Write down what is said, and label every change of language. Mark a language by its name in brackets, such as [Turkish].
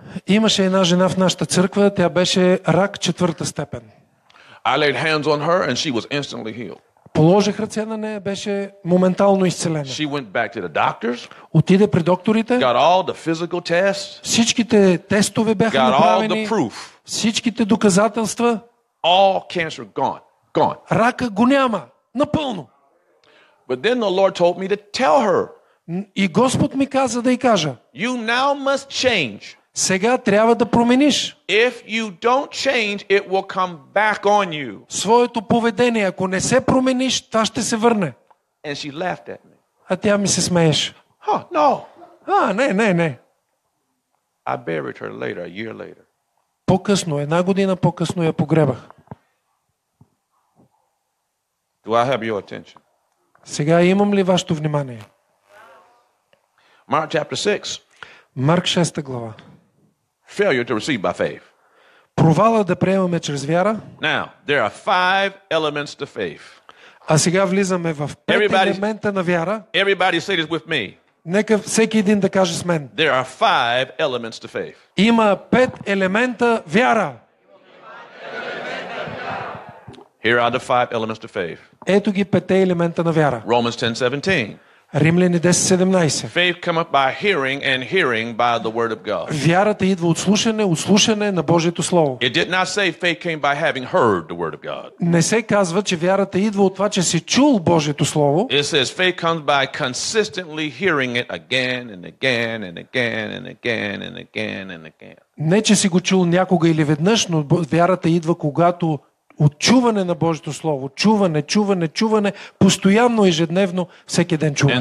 [Bulgarian] Имаше една жена в нашата църква, тя беше рак четвърта степен. [English] I laid hands on her and she was instantly healed. [Bulgarian] Положих ръце на нея, беше моментално изцелена. [English] She went back to the doctors. [Bulgarian] Отиде при докторите. [English] Got all the physical tests. [Bulgarian] Всичките тестове бяха [English] got [Bulgarian] направени. [English] Got all the proof. [Bulgarian] Всичките доказателства. [English] All cancer gone. Gone. [Bulgarian] Рака го няма. Напълно. [English] But then the Lord told me to tell her. [Bulgarian] И Господ ми каза да й кажа. [English] You now must change. [Bulgarian] Сега трябва да промениш. [English] If you don't change, it will come back on you. [Bulgarian] Своето поведение, ако не се промениш, това ще се върне. [English] And she laughed at me. [Bulgarian] А тя ми се смееше. [English] Huh, no. [Bulgarian] А, не, не, не. [English] I buried her later, a year later. [Bulgarian] По-късно, една година по-късно я погребах. [English] Do I have your attention? [Bulgarian] Сега имам ли вашето внимание? [English] Mark chapter 6. [Bulgarian] Марк 6 глава. [English] Failure to receive by faith. [Bulgarian] Провала да приемаме чрез вяра. [English] Now, there are five elements to faith. [Bulgarian] А сега влизаме в пет елемента на вяра. [English] Everybody say this with me. [Bulgarian] Нека всеки един да каже с мен. [English] There are five elements to faith. [Bulgarian] Има пет елемента вяра. [English] Here are the five elements to faith. [Bulgarian] Ето ги петте елемента на вяра. [English] Romans 10:17. [Bulgarian] Римляни 10:17. [English] Faith comes by hearing and hearing by the word of God. [Bulgarian] Вярата идва от слушане, от слушане на Божието слово. [English] It did not say faith came by having heard the word of God. [Bulgarian] Не се казва, че вярата идва от това, че си чул Божието слово. [English] It says faith comes by consistently hearing it again and again and again and again and again and again. [Bulgarian] Не че си го чул някога или веднъж, но вярата идва когато от чуване на Божието слово, чуване, чуване, чуване, постоянно, ежедневно, всеки ден чуване.